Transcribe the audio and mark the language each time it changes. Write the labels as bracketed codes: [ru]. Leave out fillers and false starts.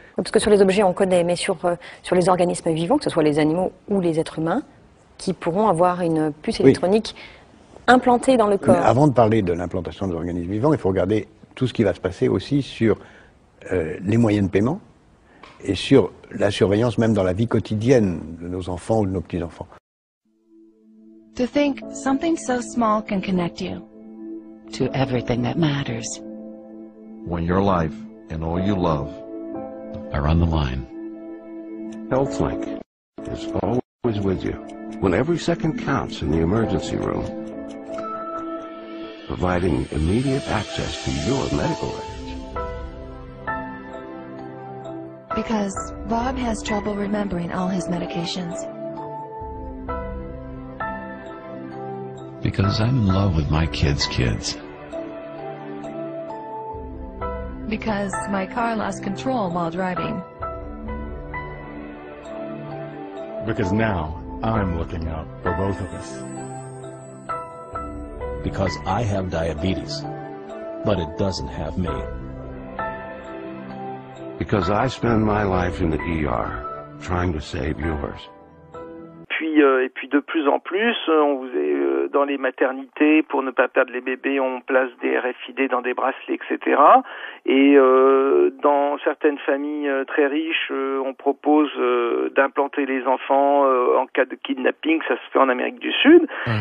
[fr] Parce que sur les objets, on connaît, mais sur les organismes vivants, que ce soit les animaux ou les êtres humains, qui pourront avoir une puce électronique implantée dans le corps. Mais avant de parler de l'implantation des organismes vivants, il faut regarder tout ce qui va se passer aussi sur les moyens de paiement et sur la surveillance même dans la vie quotidienne de nos enfants ou de nos petits-enfants. [en] To think something so small can connect you to everything that matters. When your life and all you love are on the line. HealthLink is always with you when every second counts in the emergency room, providing immediate access to your medical records. Because Bob has trouble remembering all his medications. Because I'm in love with my kids' kids. Because my car lost control while driving. Because now I'm looking out for both of us. Because I have diabetes, but it doesn't have me. Because I spend my life in the ER trying to save yours. [fr] Et puis de plus en plus, on vous est dans les maternités, pour ne pas perdre les bébés, on place des RFID dans des bracelets, etc. Et dans certaines familles très riches, on propose d'implanter les enfants en cas de kidnapping, ça se fait en Amérique du Sud. Mmh.